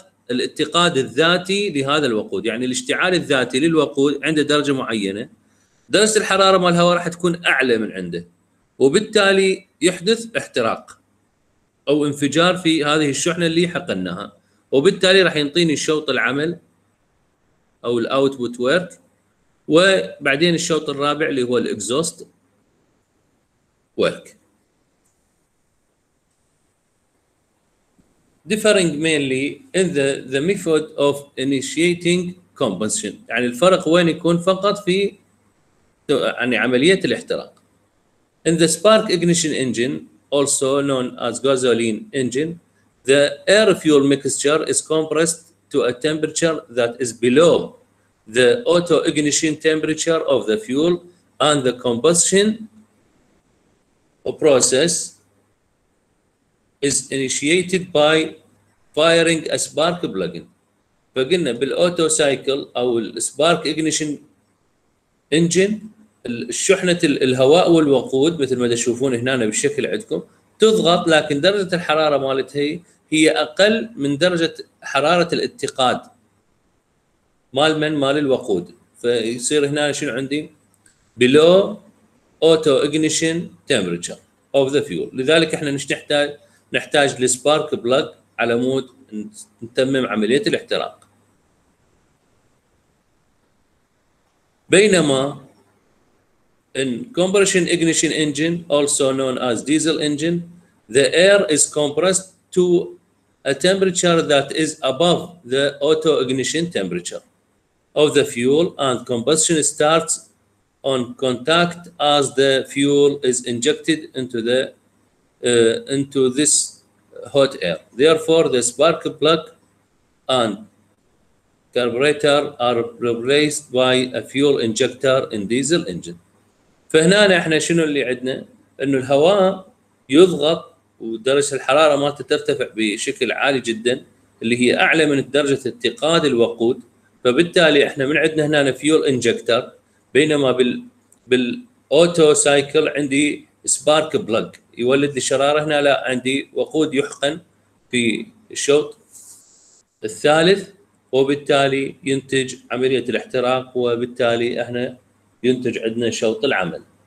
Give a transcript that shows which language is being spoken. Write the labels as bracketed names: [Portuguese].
[Arabic] الاتقاد الذاتي لهذا الوقود، يعني الاشتعال الذاتي للوقود عند درجة معينة درجة الحرارة مال الهواء راح تكون أعلى من عنده، وبالتالي يحدث احتراق أو انفجار في هذه الشحنة اللي حقناها، وبالتالي راح ينطيني الشوط العمل أو الأوتبوت ورك، وبعدين الشوط الرابع اللي هو الإكزوست ورك. [English] differing mainly in the method of initiating combustion، [Arabic] يعني الفرق وين يكون؟ فقط في يعني عملية الاحتراق. [English] in the spark ignition engine also known as gasoline engine the air fuel mixture is compressed to a temperature that is below the auto ignition temperature of the fuel and the combustion process is initiated by firing a spark plug-in. [Arabic] فقلنا بالاوتو سايكل او السبارك اجنيشن انجن الشحنة الهواء والوقود مثل ما تشوفون هنا بالشكل عندكم تضغط، لكن درجة الحرارة مالتها هي اقل من درجة حرارة الاتقاد مال من مال الوقود، فيصير هنا شنو عندي [English] below auto ignition temperature of the fuel. [Arabic] لذلك احنا نحتاج لسبارك بلاك على مود نتمم عملية الاحتراق. بينما [English] in compression ignition engine also known as diesel engine the air is compressed to a temperature that is above the auto ignition temperature of the fuel and combustion starts on contact as the fuel is injected into the into this hot air. Therefore, the spark plug and carburetor are replaced by a fuel injector in diesel engine. [Arabic] فهنا احنا شنو اللي عندنا؟ انه الهواء يضغط ودرجة الحرارة مالته ترتفع بشكل عالي جدا اللي هي اعلى من درجة اتقاد الوقود، فبالتالي احنا من عندنا هنا فيول انجكتر، بينما بالاوتو سايكل عندي سبارك بلاك يولد لي شراره، هنا لا عندي وقود يحقن في الشوط الثالث وبالتالي ينتج عمليه الاحتراق، وبالتالي احنا ينتج عندنا شوط العمل.